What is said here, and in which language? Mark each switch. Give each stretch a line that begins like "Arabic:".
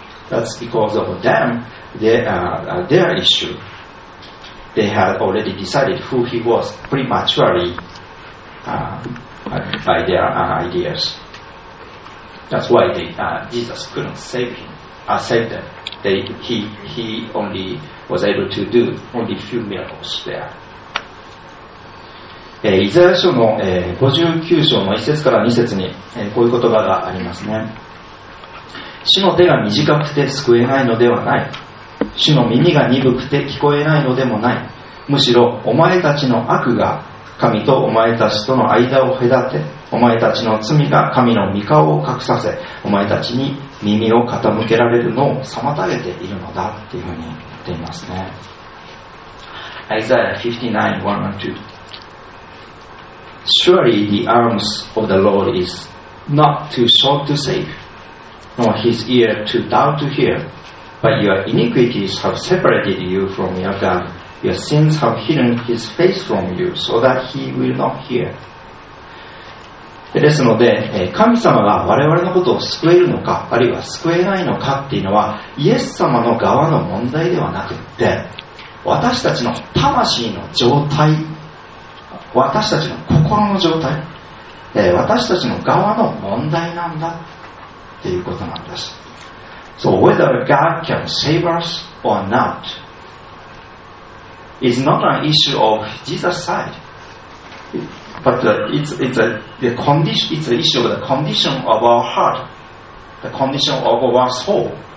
English: That's because of them, their issue. They had already decided who he was prematurely, by their ideas. That's why they, Jesus couldn't save him, save them. He only was able to do only few miracles there.
Japanese: イザヤ書の59章の1節から2節にこういう言葉がありますね。主の手が短くて救えないのではない。主の耳が鈍くて聞こえないのでもない。むしろお前たちの悪が神とお前たちとの間を隔て、お前たちの罪が神の御顔を隠させ、お前たちに耳を傾けられるのを妨げているのだっていうふうに言っていますね。
English: イザヤ59:1-2Surely the arms of the Lord is not too short to save, nor his ear too dull to hear. But your iniquities have separated you from your God. Your sins have hidden his face from you, so that he will not hear.
Japanese: ですので、神様が我々のことを救えるのか、あるいは救えないのかっていうのは、イエス様の側の問題ではなくて、私たちの魂の状態、私たちの心の状態、私たちの側の問題なんだっていうことなんです。
English: So whether God can save us or not is not an issue of Jesus' side, but it's an issue of the condition of our heart, the condition of our soul.